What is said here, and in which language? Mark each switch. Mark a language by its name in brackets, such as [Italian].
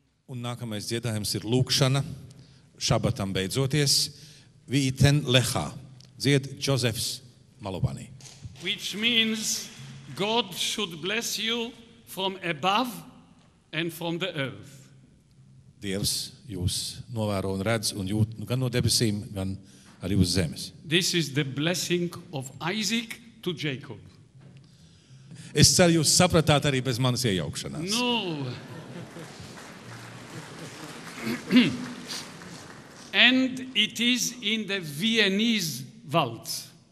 [Latvian] Un nākamais dziedājums ir lūkšana, šabatam beidzoties. Vīten lehā, dzied Džozefs Malobani. [English] Which means God should bless you from above and from the earth. [Latvian] Dievs jūs novēro un redz un jūt gan no debesīm, gan arī uz zemes. [English] This is the blessing of Isaac to Jacob. [Latvian] Es ceru, jūs sapratāt arī bez manas iejaukšanās. [English] No. And it is in the Viennese waltz.